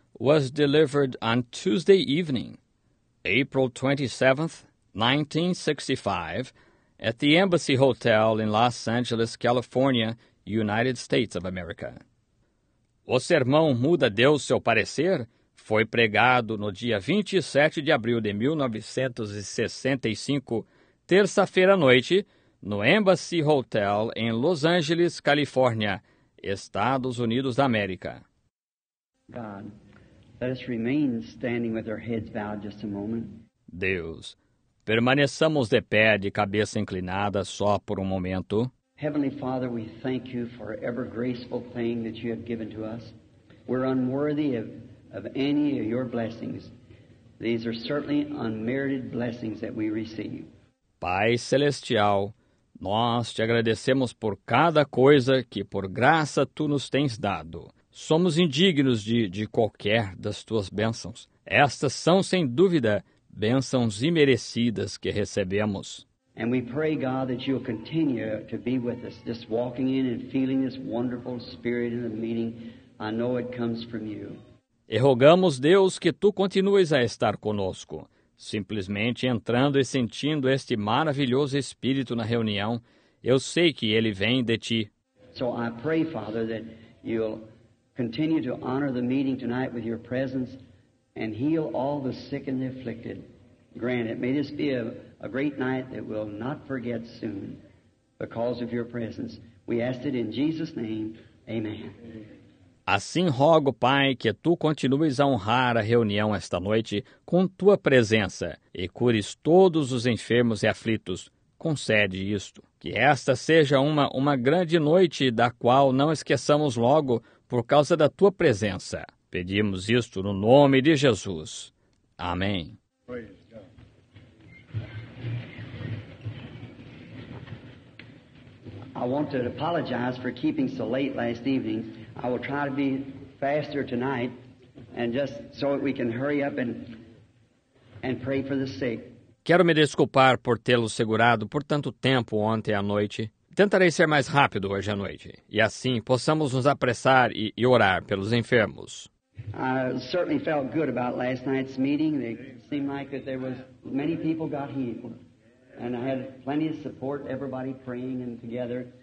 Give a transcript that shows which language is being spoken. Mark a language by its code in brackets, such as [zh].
[en] was delivered on Tuesday evening, April 27, 1965, at the Embassy Hotel in Los Angeles, California, United States of America. [pt] O sermão "Muda Deus Seu Parecer" foi pregado no dia 27 de abril de 1965, terça-feira à noite, no Embassy Hotel em Los Angeles, Califórnia, Estados Unidos da América. [en] God, let us remain standing with our heads bowed just a moment. [pt] Deus, permaneçamos de pé de cabeça inclinada só por um momento. [en] Heavenly Father, we thank you for every graceful thing that you have given to us. We're unworthy of any of your blessings. These are certainly unmerited blessings that we receive. [pt] Pai celestial, nós te agradecemos por cada coisa que por graça tu nos tens dado. Somos indignos de qualquer das tuas bênçãos. Estas são, sem dúvida, bênçãos imerecidas que recebemos. [en] And we pray, God, that you'll continue to be with us, just walking in and feeling this wonderful spirit in the meeting. I know it comes from you. [pt] E rogamos, Deus, que tu continues a estar conosco, simplesmente entrando e sentindo este maravilhoso espírito na reunião. Eu sei que ele vem de ti. [en] So I pray, Father, that you'll continue to honor the meeting tonight with your presence and heal all the sick and the afflicted. Grant it. May this be a great night that we'll not forget soon because of your presence. We ask it in Jesus' name. Amen. [pt] Assim rogo, Pai, que tu continues a honrar a reunião esta noite com tua presença e cures todos os enfermos e aflitos. Concede isto. Que esta seja uma grande noite da qual não esqueçamos logo por causa da tua presença. Pedimos isto no nome de Jesus. Amém. [en] I want to apologize for keeping so late last evening. I will try to be faster tonight, and just so we can hurry up and pray for the sick. [pt] Quero me desculpar por tê-lo segurado por tanto tempo ontem à noite. Tentarei ser mais rápido hoje à noite, e assim possamos nos apressar e orar pelos enfermos. [en] I certainly felt good about last night's meeting. It seemed like that there was many people got healed, and I had plenty of support, everybody praying and together.